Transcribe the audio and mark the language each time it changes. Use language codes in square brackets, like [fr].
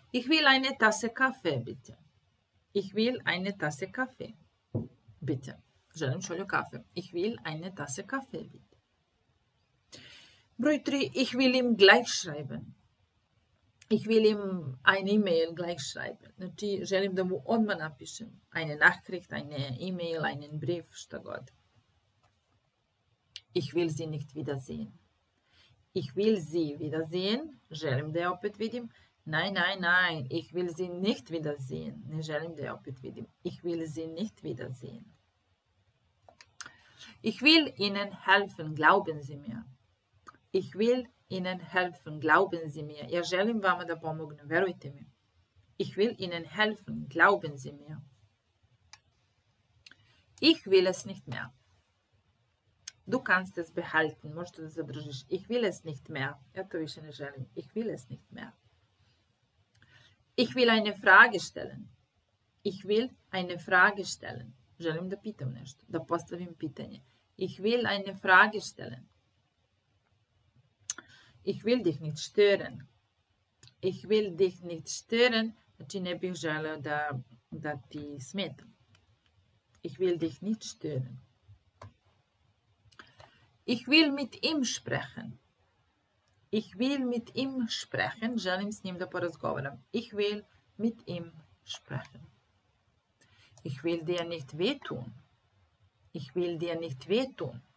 [de] Ich will eine Tasse Kaffee, bitte. Ich will eine Tasse Kaffee, bitte. [sr] Želim šolju kafe. [de] Ich will eine Tasse Kaffee, bitte. [sr] Broj 3. [de] Ich will ihm gleich schreiben. Ich will ihm eine E-Mail gleich schreiben. [sr] Znači, želim da mu odmah napišem. [de] Eine Nachricht, eine E-Mail, einen Brief, [sr] šta god. [de] Ich will sie nicht wiedersehen. Ich will sie wiedersehen. [sr] Želim da je opet vidim. [de] Nein, nein, nein. Ich will sie nicht wiedersehen. [sr] Ne želim da je opet vidim. [de] Ich will sie nicht wiedersehen. Ich will Ihnen helfen. Glauben Sie mir. Ich will Ihnen helfen, glauben Sie mir. [sr] Ja, želim vama da pomognem, verujte mi. [de] Ich will Ihnen helfen, glauben Sie mir. Ich will es nicht mehr. Du kannst es behalten, [sr] možete da zadržiš. [de] Ich will es nicht mehr. [sr] Ja to više ne želim. [de] Ich will es nicht mehr. Ich will eine Frage stellen. Ich will eine Frage stellen. [sr] Želim da pitam nešto, da postavim pitanje. [de] Ich will eine Frage stellen. Ich will dich nicht stören. Ich will dich nicht stören. [sr] Znači, ne bih želeo da ti smetam. [de] Ich will dich nicht stören. Ich will mit ihm sprechen. Ich will mit ihm sprechen. [sr] Želim s njim da porazgovaram. [de] Ich will mit ihm sprechen. Ich will dir nicht wehtun. Ich will dir nicht wehtun.